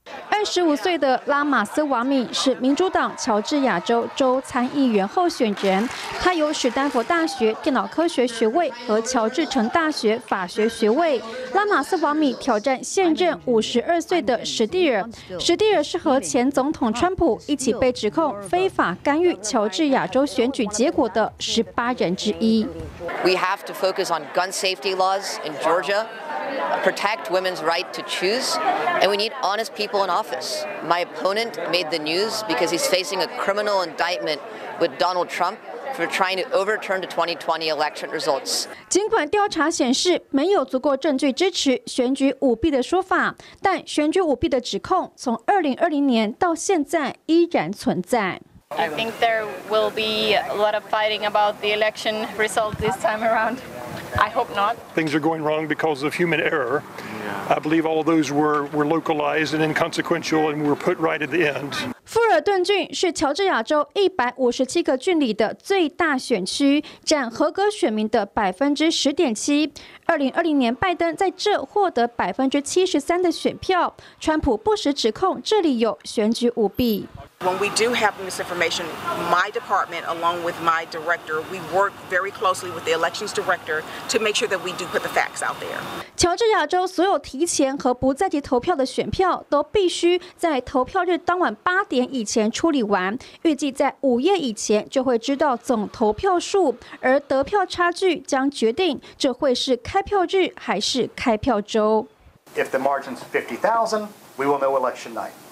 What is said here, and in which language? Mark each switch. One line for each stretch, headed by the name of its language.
Chinese: 25岁的拉马斯瓦米是民主党乔治亚州州参议员候选人，他有史丹佛大学电脑科学学位和乔治城大学法学学位。拉马斯瓦米挑战现任52岁的史蒂尔，史蒂尔是和前总统川普一起被指控非法干预乔治亚州选举结果的18人之一。
English: We have to focus on gun safety laws in Georgia. Protect women's right to choose, and we need honest people in office. My opponent made the news because he's facing a criminal indictment with Donald Trump for trying to overturn the 2020 election results.
Chinese: 尽管调查显示没有足够证据支持选举舞弊的说法，但选举舞弊的指控从2020年到现在依然存在。
English: I think there will be a lot of fighting about the election result this time around. I hope not. Things are going wrong because of human error. I believe all those were localized and inconsequential and were put right at the end.
Chinese: 富尔顿郡是乔治亚州157个郡里的最大选区，占合格选民的10.7%。 2020年，拜登在这获得73%的选票。川普不时指控这里有选举舞弊。
English: When we do have misinformation, my department along with my director, we work very closely with the elections director to make sure that we do put the facts out there.
Chinese: 乔治亚州所有提前和不在籍投票的选票都必须在投票日当晚8点以前处理完，预计在5夜以前就会知道总投票数，而得票差距将决定这会是开票日还是开票周。
English: If the margin's 50,000, we will know election night.